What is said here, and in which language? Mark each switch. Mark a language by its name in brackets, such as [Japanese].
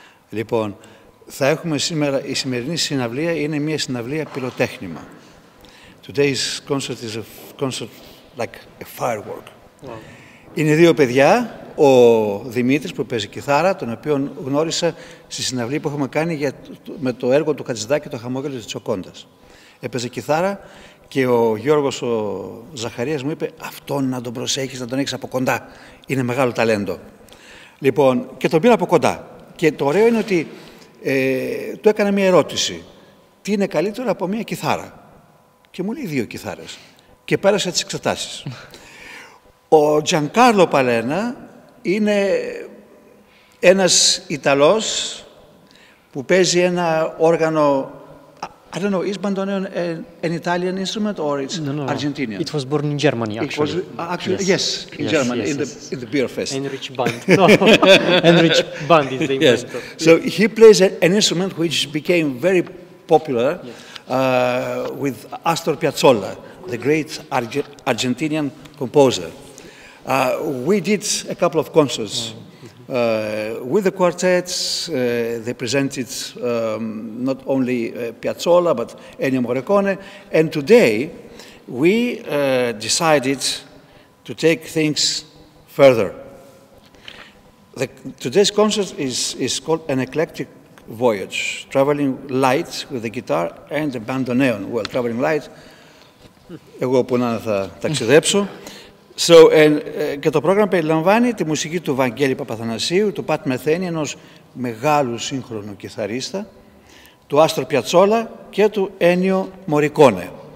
[Greek] Λοιπόν, θα έχουμε σήμερα, η σημερινή συναυλία είναι μια συναυλία πυροτέχνημα. [English] Today's concert is a concert like a firework. Wow. [Greek] Είναι δύο παιδιά, ο Δημήτρης που παίζει κιθάρα, τον οποίο γνώρισα στη συναυλία που έχουμε κάνει με το έργο του Χατζηδάκη, το Χαμόγελο της Τσοκόντας. Έπαιζε κιθάρα και ο Γιώργος ο Ζαχαρίας μου είπε «Αυτόν να τον προσέχεις, να τον έχεις από κοντά, είναι μεγάλο ταλέντο». Λοιπόν, και τον πήρα από κοντά. Και το ωραίο είναι ότι του έκανα μια ερώτηση. Τι είναι καλύτερο από μια κιθάρα? Και μου λέει «Δύο κιθάρες». Και πέρασε τις εξετάσεις. Ο Τζιανκάρλο Παλένα είναι ένας Ιταλός που παίζει ένα όργανο. [English] I don't know, is bandoneon an Italian instrument or it's Argentinian? It was born in Germany, actually. Yes, in Germany, in the beer fest. Enrich Band. Enrich Band is the inventor. Yes. So he plays an instrument which became very popular with Astor Piazzolla, the great Argentinian composer. We did a couple of concerts with the quartets. They presented not only Piazzolla, but Ennio Morricone. And today, we decided to take things further. Today's concert is called an eclectic voyage, traveling light with the guitar and the bandoneon. Well, traveling light, [Greek] εγώ που να θα ταξιδέψω. So, και το πρόγραμμα περιλαμβάνει τη μουσική του Βαγγέλη Παπαθανασίου, του Πατ Μεθένη, ενός μεγάλου σύγχρονου κιθαρίστα, του Άστρο Πιατσόλα και του Ένιο Μορικόνε.